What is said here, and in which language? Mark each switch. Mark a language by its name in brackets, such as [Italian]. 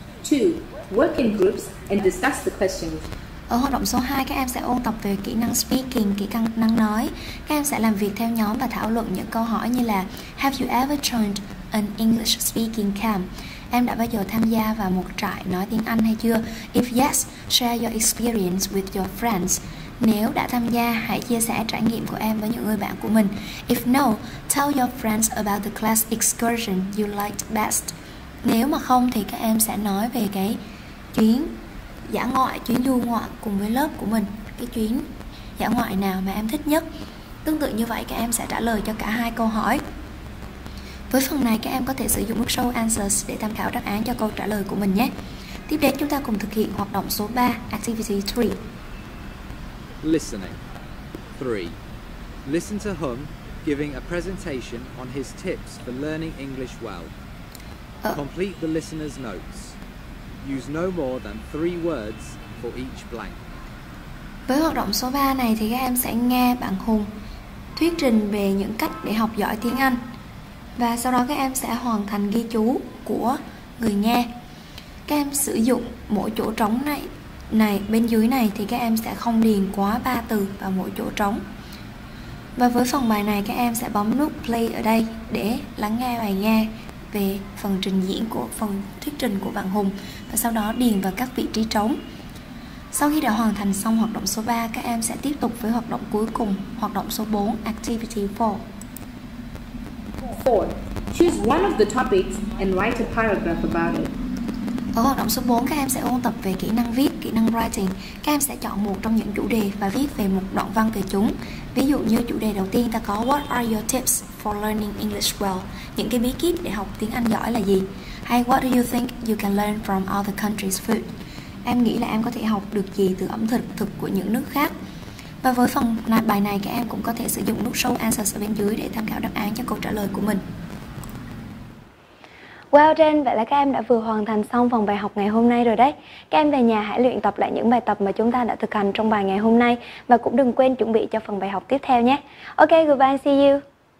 [English] 2. Work in groups and discuss the questions. [Vietnamese] Ở hoạt động số 2, các em sẽ ôn tập về kỹ năng speaking, kỹ năng nói. Các em sẽ làm việc theo nhóm và thảo luận những câu hỏi như là [English] Have you ever joined an English speaking camp? [Vietnamese] Em đã bao giờ tham gia vào một trại nói tiếng Anh hay chưa? [English] If yes, share your experience with your friends. [Vietnamese] Nếu đã tham gia, hãy chia sẻ trải nghiệm của em với những người bạn của mình. [English] If no, tell your friends about the class excursion you liked best. [Vietnamese] Nếu mà không thì các em sẽ nói về cái chuyến dã ngoại, chuyến du ngoại cùng với lớp của mình, cái chuyến dã ngoại nào mà em thích nhất. Tương tự như vậy, các em sẽ trả lời cho cả hai câu hỏi. Với phần này, các em có thể sử dụng Show Answers để tham khảo đáp án cho câu trả lời của mình nhé. Tiếp đến, chúng ta cùng thực hiện hoạt động số 3, Activity 3. [English] Listening. 3. Listen to Hum giving a presentation on his tips for learning English well. Complete the listener's notes. Use no more than 3 words for each blank. [Vietnamese] Với hoạt động số 3 này thì các em sẽ nghe bạn Hùng thuyết trình về những cách để học giỏi tiếng Anh. Và sau đó các em sẽ hoàn thành ghi chú của người nghe. Các em sử dụng mỗi chỗ trống này. Này, bên dưới này thì các em sẽ không điền quá 3 từ vào mỗi chỗ trống. Và với phần bài này, các em sẽ bấm nút play ở đây để lắng nghe bài nghe về phần trình diễn của phần thuyết trình của bạn Hùng, và sau đó điền vào các vị trí trống. Sau khi đã hoàn thành xong hoạt động số 3, các em sẽ tiếp tục với hoạt động cuối cùng, hoạt động số 4, Activity 4. 4. [English] Choose one of the topics and write a paragraph about it. [Vietnamese] Ở hoạt động số 4, các em sẽ ôn tập về kỹ năng viết, kỹ năng writing. Các em sẽ chọn một trong những chủ đề và viết về một đoạn văn về chúng. Ví dụ như chủ đề đầu tiên ta có [English] What are your tips for learning English well? [Vietnamese] Những cái bí kíp để học tiếng Anh giỏi là gì? [English] Hay What do you think you can learn from other countries' food? [Vietnamese] Em nghĩ là em có thể học được gì từ ẩm thực thực của những nước khác? Và với phần bài này, các em cũng có thể sử dụng nút Show Answers ở bên dưới để tham khảo đáp án cho câu trả lời của mình. [English] Well done, [Vietnamese] vậy là các em đã vừa hoàn thành xong phần bài học ngày hôm nay rồi đấy. Các em về nhà hãy luyện tập lại những bài tập mà chúng ta đã thực hành trong bài ngày hôm nay. Và cũng đừng quên chuẩn bị cho phần bài học tiếp theo nhé. Ok, [English] goodbye, see you.